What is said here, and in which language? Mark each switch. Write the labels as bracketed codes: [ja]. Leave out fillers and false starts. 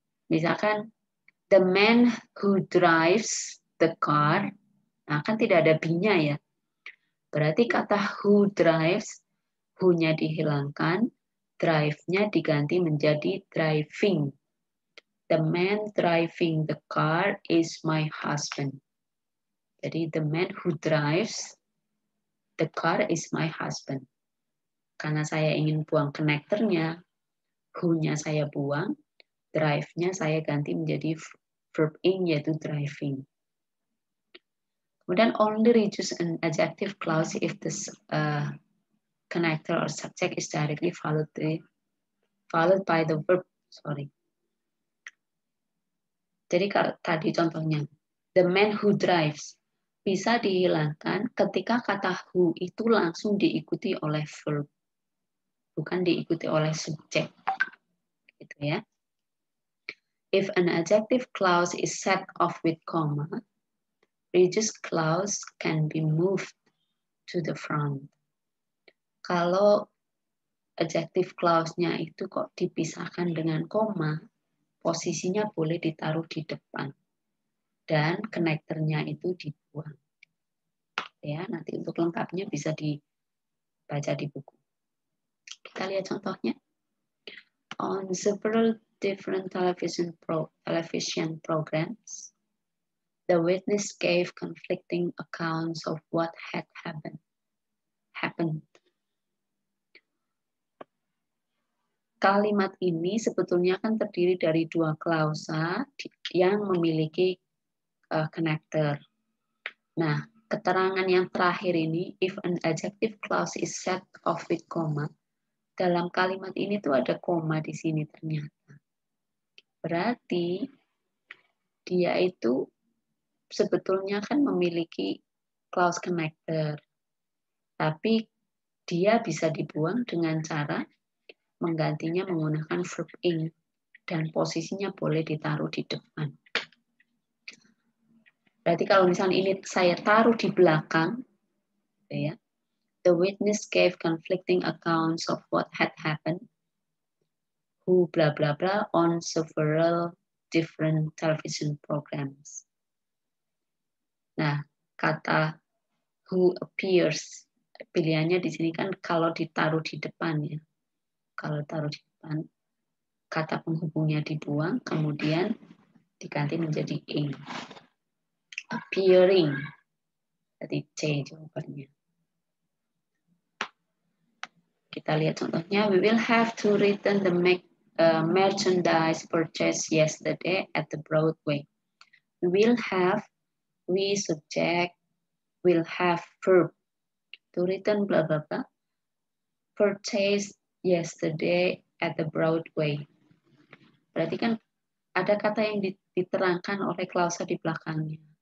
[id] Misalkan [en] the man who drives the car, [id] nah kan tidak ada be-nya ya. Berarti kata who drives, who-nya dihilangkan. Drive-nya diganti menjadi driving. [en] The man driving the car is my husband. [id] Jadi [en] the man who drives the car is my husband. [id] Karena saya ingin buang connector-nya, who-nya saya buang, drive-nya saya ganti menjadi verb-ing, yaitu driving. Kemudian [en] only reduce an adjective clause if this connector or subject is directly followed by the verb. Sorry. [id] Jadi kalau tadi contohnya, [en] the man who drives [id] bisa dihilangkan ketika kata who itu langsung diikuti oleh verb, bukan diikuti oleh subject. Gitu ya. [en] If an adjective clause is set off with comma, reduced clause can be moved to the front. [id] Kalau adjective clause-nya itu kok dipisahkan dengan koma, posisinya boleh ditaruh di depan. Dan connector-nya itu dibuang. Ya, nanti untuk lengkapnya bisa dibaca di buku. Kita lihat contohnya. [en] On several different television programs, the witness gave conflicting accounts of what had happened. [id] Kalimat ini sebetulnya kan terdiri dari dua klausa yang memiliki connector. Nah, keterangan yang terakhir ini, [en] if an adjective clause is set off with comma, [id] dalam kalimat ini tuh ada koma di sini ternyata. Berarti dia itu sebetulnya kan memiliki clause connector. Tapi dia bisa dibuang dengan cara menggantinya menggunakan verb ing dan posisinya boleh ditaruh di depan. Berarti kalau misalnya ini saya taruh di belakang, ya, [en] the witness gave conflicting accounts of what had happened, who bla bla bla on several different television programs. [id] Nah, kata who appears, pilihannya di sini kan kalau ditaruh di depan ya. Kalau taruh di depan, kata penghubungnya dibuang, kemudian diganti menjadi ing. Appearing, jadi C jawabannya. Kita lihat contohnya, [en] we will have to return the merchandise purchased yesterday at the Broadway. We will have, we subject, will have verb. To return blah blah blah, purchased yesterday at the Broadway. [id] Berarti kan ada kata yang diterangkan oleh klausa di belakangnya.